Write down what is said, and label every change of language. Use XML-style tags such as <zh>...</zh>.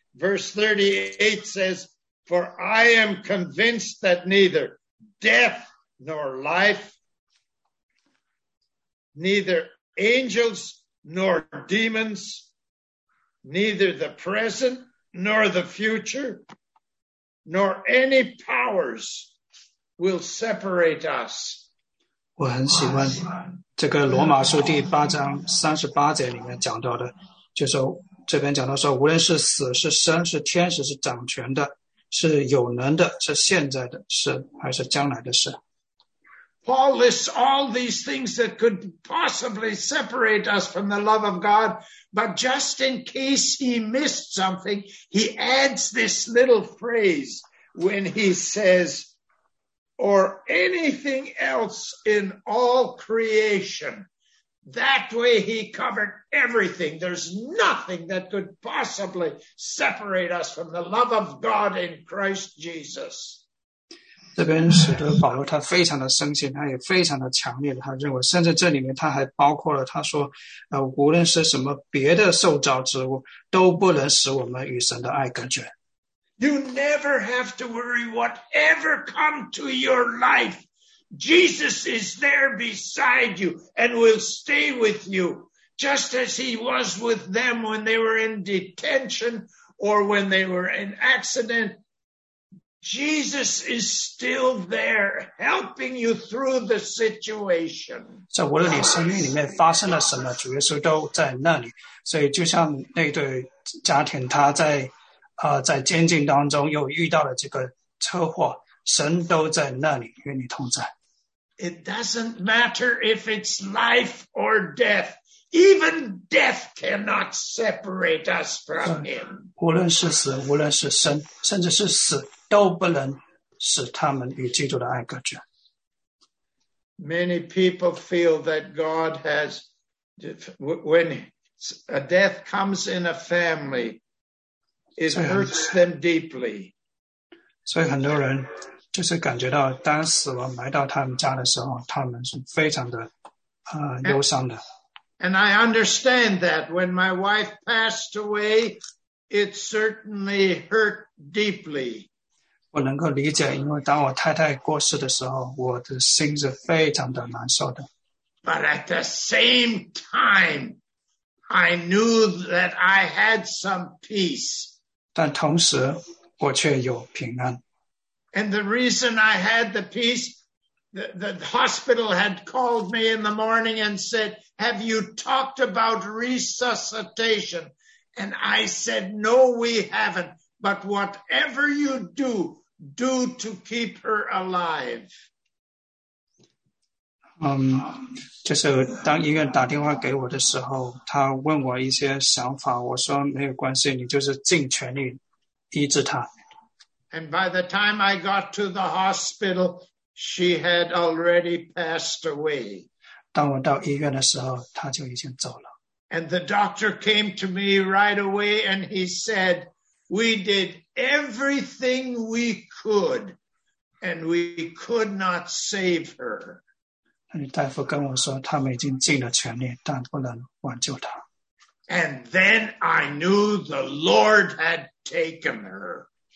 <en>Verse 38 says, For I am convinced that neither death nor life, neither angels nor demons, neither the present nor the future, nor any powers will separate us.</en> <zh>我很喜欢这个罗马书第八章三十八节里面讲到的，就是这边讲到说，无论是死是生，是天使是掌权的，是有能的，是现在的事还是将来的事。</zh> <en>Paul lists all these things that could possibly separate us from the love of God, but just in case he missed something, he adds this little phrase when he says, or anything else in all creation. That way he covered everything. There's nothing that could possibly separate us from the love of God in Christ Jesus.</en> <zh>这边使徒保罗他非常的深信，他也非常的强烈的，他认为，甚至这里面他还包括了他说，无论是什么别的受造之物，都不能使我们与神的爱隔绝。</zh> <en>You never have to worry whatever come to your life. Jesus is there beside you and will stay with you, just as he was with them when they were in detention or when they were in accident. Jesus is still there helping you through the situation.</en> <zh>在无论你生命里面发生了什么，主耶稣都在那里。所以就像那对家庭，他在监禁当中又遇到了这个车祸，神都在那里与你同在。</zh> <en>It doesn't matter if it's life or death. Even death cannot separate us from him.</en> <zh>无论是死，无论是生，甚至是死。都不能使他们与基督的爱隔绝。</zh> <en>Many people feel that God has, when a death comes in a family, it hurts them deeply.</en> <zh>所以很多人就是感觉到当死亡来到他们家的时候，他们是非常的忧伤的。</zh> <en>And I understand that when my wife passed away, it certainly hurt deeply.</en> <zh>我能够理解，因为当我太太过世的时候，我的心是非常的难受的。</zh> <en>But at the same time, I knew that I had some peace.</en> <zh>但同时，我却有平安。</zh> <en>And the reason I had the peace, the hospital had called me in the morning and said, have you talked about resuscitation? And I said, no, we haven't. But whatever you do, do to keep her alive.</en> <zh>就是当医院打电话给我的时候，他问我一些想法，我说没有关系，你就是尽全力医治他。</zh> <en>And by the time I got to the hospital, she had already passed away.</en> <zh>当我到医院的时候，她就已经走了。</zh> <en>And the doctor came to me right away and he said, we did everything we could and we could not save her.</en> <zh>大夫跟我说，他们已经尽了全力，但不能挽救她。</zh> <en>And then I knew the Lord had taken her.</en>